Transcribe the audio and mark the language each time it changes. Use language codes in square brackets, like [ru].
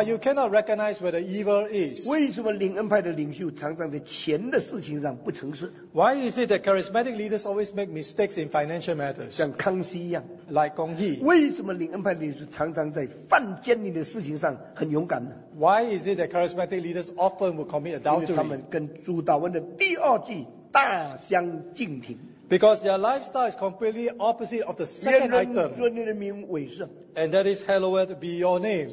[en] but you cannot recognize where the evil is. [zh] 为什么灵恩派的领袖常常在钱的事情上不诚实? [en] Why is it that charismatic leaders always make mistakes in financial matters? [zh] 像康熙一样, [en] like Gong Yi. [zh] 为什么灵恩派的领袖常常在犯奸淫的事情上很勇敢? [en] Why is it that charismatic leaders often will commit adultery? [zh] 因为他们跟朱道文的第二句大相径庭, [en] because their lifestyle is completely opposite of the second item. [zh] 愿人尊你的名为圣, [en] and that is hallowed be your name.